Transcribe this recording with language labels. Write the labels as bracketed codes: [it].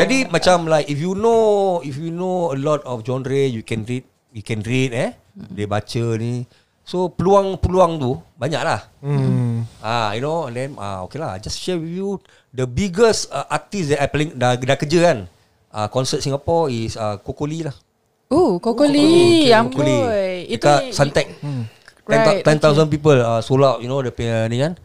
[ms] Jadi macam [en] like if you know a lot of genre, you can read eh. [ms] Dia baca ni. So peluang-peluang tu banyak lah. [en] You know, and then okay lah, just share with you the biggest artist that I playing [ms] dah kerja kan. [en] Concert Singapore is Coco Lee lah. Kokoli. [ms] Dekat Suntec. [en] 10,000 people sold out, you know, [ms] depan ni kan.